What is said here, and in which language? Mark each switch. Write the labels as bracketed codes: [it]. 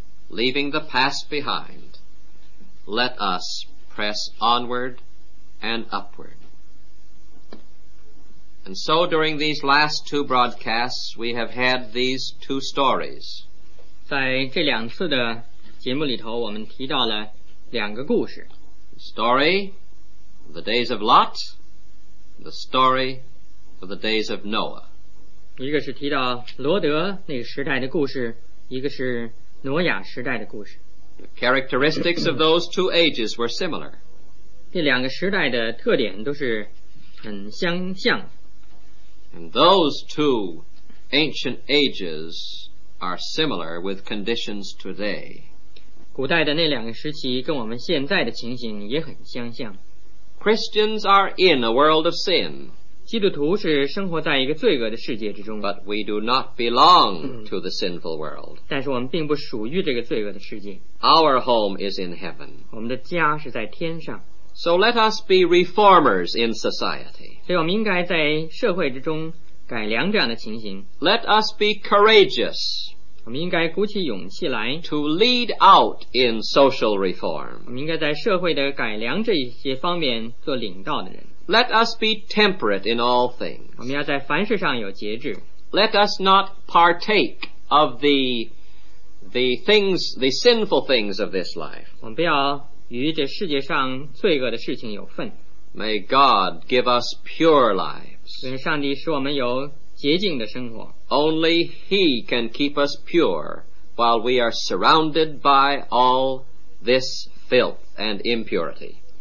[en] Leaving the past behind, let us press onward and upward. And so during these last two broadcasts, we have had these two stories. [zh] 在这两次的节目里头, 我们提到了两个故事。 [en] The story of the days of Lot, the story of the days of Noah. [zh] 一个是提到罗德那个时代的故事, 一个是挪亚时代的故事。 [en] The characteristics of those two ages were similar. [zh] 这两个时代的特点都是很相像。 [en] And those two ancient ages are similar with conditions today. [zh] 古代的那两个时期 跟我们现在的情形也很相像。 [en] Christians are in a world of sin. [zh] 基督徒是生活在一个罪恶的世界之中。 [en] But we do not belong to the sinful world. [zh] 但是我们并不属于这个罪恶的世界。 [en] Our home is in heaven. [zh] 我们的家是在天上。 [en] So let us be reformers in society. [zh] 所以我们应该在社会之中改良这样的情形。 [en] Let us be courageous. [zh] 我们应该鼓起勇气来 [en] to lead out in social reform. [zh] 我们应该在社会的改良这些方面做领导的人。 [en] Let us be temperate in all things. [zh] 我们要在凡事上有节制。 [en] Let us not partake of the sinful things of this life. [zh] 我们不要与这世界上罪恶的事情有份。 [en] May God give us pure lives. [zh] 愿上帝使我们有 洁净的生活。 [en] Only He can keep us pure while we are surrounded by all this filth and impurity.